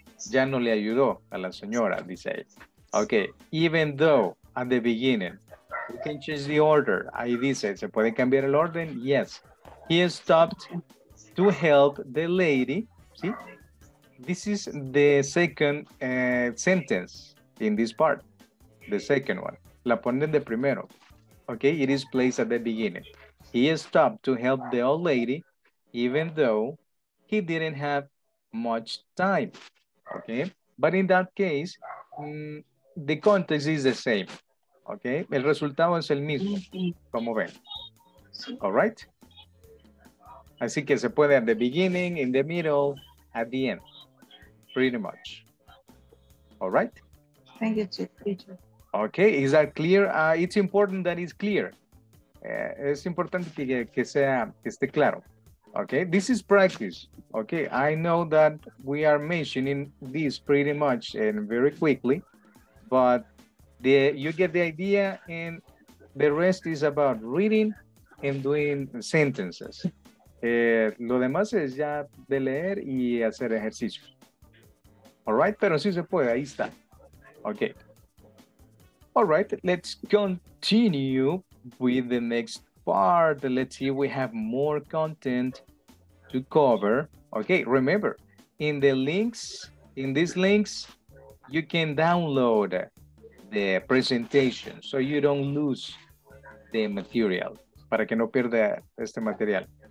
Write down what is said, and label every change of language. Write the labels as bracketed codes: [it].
[es] Ya no le ayudó a la señora, dice ella. [en] Okay, even though at the beginning, you can change the order. [es] Ahí dice, ¿se puede cambiar el orden? [en] Yes. He stopped to help the lady. [es] ¿Sí? [en] This is the second sentence in this part. The second one. [es] La ponen de primero. [en] Okay, it is placed at the beginning. He stopped to help the old lady, even though he didn't have much time. Okay, but in that case, the context is the same. [es] Okay, el resultado es el mismo, como ven. [en] All right? [es] Así que se puede [en] at the beginning, in the middle, at the end. Pretty much. All right? Thank you, teacher. Okay, is that clear? It's important that it's clear. [es] Es importante que esté claro. [en] Okay, this is practice. Okay, I know that we are mentioning this pretty much and very quickly, but you get the idea, and the rest is about reading and doing sentences. [es] Lo demás es ya de leer y hacer ejercicios. [en] All right, [es] pero sí se puede, ahí está. [en] Okay. All right, let's continue with the next part. Let's see, we have more content to cover. Okay, remember, in these links, you can download the presentation, so you don't lose the material, [es] para que no pierda este material.